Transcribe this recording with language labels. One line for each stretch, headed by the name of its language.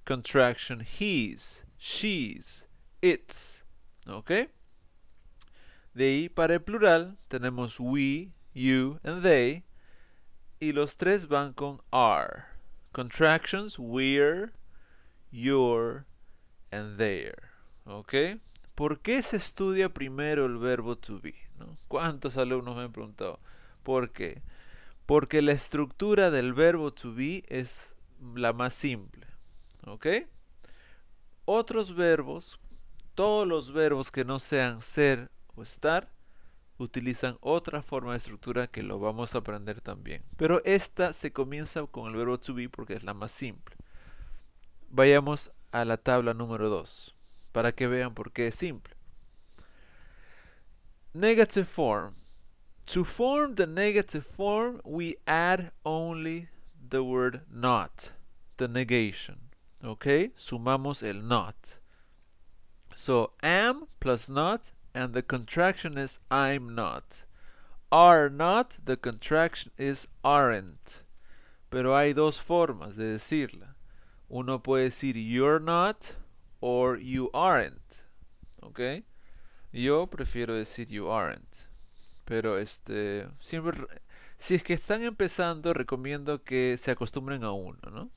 English: Contraction, he's, she's, it's.
Spanish: ¿Ok? De ahí, para el plural, tenemos we, you, and they. Y los tres van con are.
English: Contractions, we're, you're, and they're.
Spanish: ¿Ok? ¿Por qué se estudia primero el verbo to be? ¿No? ¿Cuántos alumnos me han preguntado? ¿Por qué? Porque la estructura del verbo to be es la más simple. ¿Ok? Otros verbos Todos los verbos que no sean ser o estar utilizan otra forma de estructura que lo vamos a aprender también. Pero esta se comienza con el verbo to be porque es la más simple. Vayamos a la tabla número 2 para que vean por qué es simple.
English: Negative form. To form the negative form, we add only the word not, the negation.
Spanish: Ok, sumamos el not. So, am plus not, and the contraction is I'm not. Are not, the contraction is aren't. Pero hay dos formas de decirla. Uno puede decir you're not, or you aren't. Ok, yo prefiero decir you aren't. Pero siempre, si es que están empezando, recomiendo que se acostumbren a uno, ¿no?